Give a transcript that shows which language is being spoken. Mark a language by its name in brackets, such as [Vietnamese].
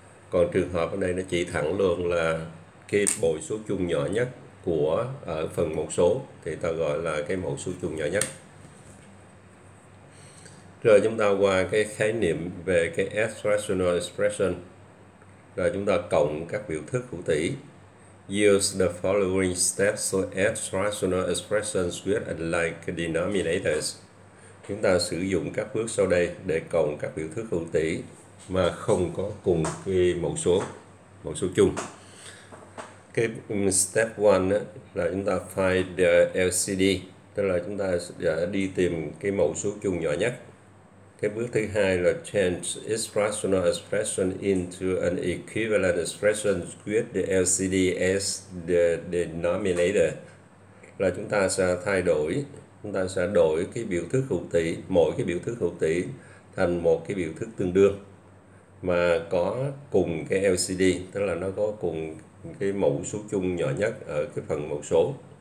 [Vietnamese] Còn trường hợp ở đây nó chỉ thẳng luôn là cái bội số chung nhỏ nhất của ở phần mẫu số thì ta gọi là cái mẫu số chung nhỏ nhất. Rồi chúng ta qua cái khái niệm về cái [English] S rational expression. [Vietnamese] Rồi chúng ta cộng các biểu thức hữu tỉ. [English] Use the following steps to add rational expressions with and like denominators. [Vietnamese] Chúng ta sử dụng các bước sau đây để cộng các biểu thức hữu tỉ mà không có cùng cái mẫu số chung. Cái step 1 là chúng ta [English] find the LCD, [Vietnamese] tức là chúng ta sẽ đi tìm cái mẫu số chung nhỏ nhất. Cái bước thứ hai là [English] change its rational expression into an equivalent expression with the LCD as the denominator. [Vietnamese] Là chúng ta sẽ thay đổi, chúng ta sẽ đổi cái biểu thức hữu tỉ, mỗi cái biểu thức hữu tỉ thành một cái biểu thức tương đương mà có cùng cái LCD, tức là nó có cùng cái mẫu số chung nhỏ nhất ở cái phần mẫu số.